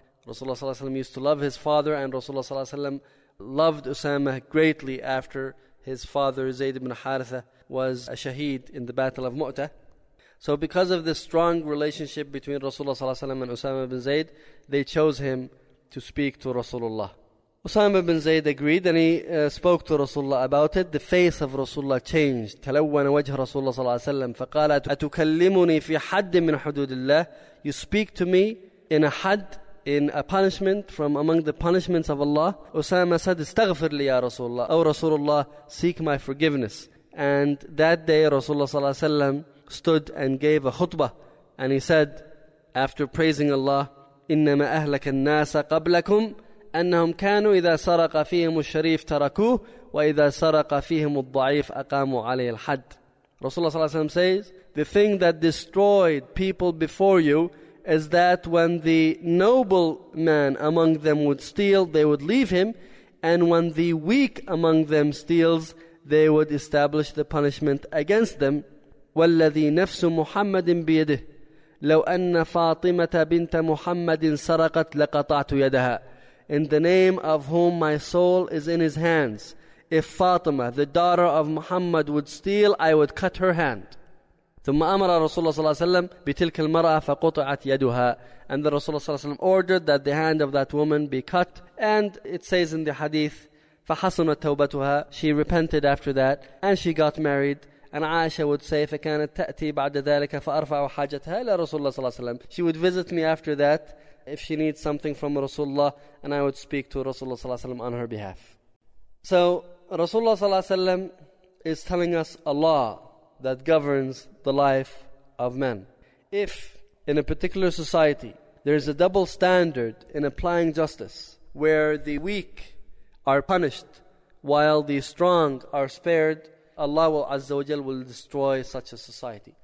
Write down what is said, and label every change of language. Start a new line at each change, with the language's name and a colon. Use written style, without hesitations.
English: Rasulullah sallallahu alaihi wasallam used to love his father, and Rasulullah sallallahu alaihi wasallam loved Usama greatly after his father Zayd ibn Haritha was a shaheed in the Battle of Mu'tah. So because of this strong relationship between Rasulullah sallallahu alaihi wasallam and Usama bin Zayd, they chose him to speak to Rasulullah. Usama bin Zayd agreed, and he spoke to Rasulullah about it. The face of Rasulullah changed.
Arabic: تلون وجه رسول الله صلى الله عليه وسلم فقال أتكلمني في حد من حدود الله.
English: You speak to me in a had, in a punishment from among the punishments of Allah. Usama said,
Arabic: استغفر لي يا رسول الله.
English: Oh Rasulullah, seek my forgiveness. And that day Rasulullah صلى الله عليه وسلم stood and gave a khutbah, and he said, after praising Allah,
Arabic: إنما أهلك الناس قبلكم أنهم كانوا إذا سرق فيهم الشريف تركوه وإذا سرق فيهم الضعيف أقاموا عليه الحد.
English: Rasulullah صلى الله عليه وسلم says, the thing that destroyed people before you is that when the noble man among them would steal, they would leave him, and when the weak among them steals, they would establish the punishment against them.
Arabic: والذي نفس محمد بيده لو أن فاطمة بنت محمد سرقت لقطعت يدها.
English: In the name of whom my soul is in his hands, if Fatima, the daughter of Muhammad, would steal, I would cut her hand.
Arabic: ثم أمر رسول الله صلى الله عليه وسلم بتلك المرأة فقطعت يدها.
English: And the Rasulullah صلى الله عليه وسلم ordered that the hand of that woman be cut. And it says in the hadith,
Arabic: فحسنت توبتها.
English: She repented after that and she got married. And Aisha would say,
Arabic: فكانت تأتي بعد ذلك فأرفع حاجتها إلى رسول الله صلى الله عليه وسلم.
English: She would visit me after that if she needs something from Rasulullah, and I would speak to Rasulullah صلى الله عليه وسلم on her behalf. So Rasulullah صلى الله عليه وسلم is telling us a law that governs the life of men. If in a particular society there is a double standard in applying justice, where the weak are punished while the strong are spared, Allah will Azza wa Jal will destroy such a society.